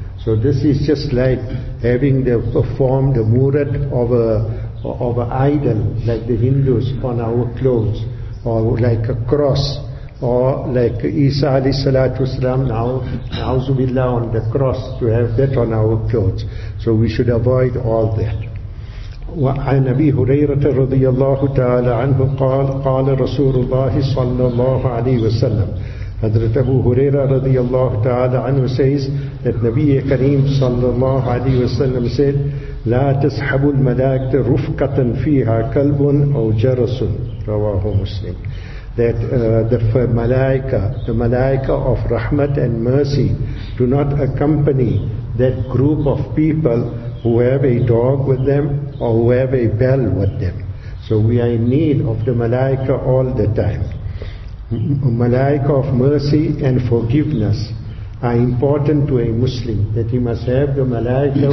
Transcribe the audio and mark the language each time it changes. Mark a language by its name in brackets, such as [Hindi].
[English] So this is just like having the perform the murat of a idol, like the Hindus, on our clothes, or like a cross, or like Isa alayhi salatu wasalam, now na'uzubillah, on the cross, to have that on our clothes. So we should avoid all that. [Arabic] وعن أبي هريرة رضي الله تعالى عنه قال قال رسول الله صلى الله عليه وسلم حضرت أبو هريرة رضي الله تعالى عنه [English] says that [Arabic] نبي كريم صلى الله عليه وسلم said لا تسحب الملائكة رفقة فيها كلب أو جرس رواه مسلم. [English] That the Malaika of Rahmat and Mercy, do not accompany that group of people who have a dog with them or who have a bell with them. So we are in need of the Malaika all the time. Malaika of mercy and forgiveness are important to a Muslim, that he must have the Malaika.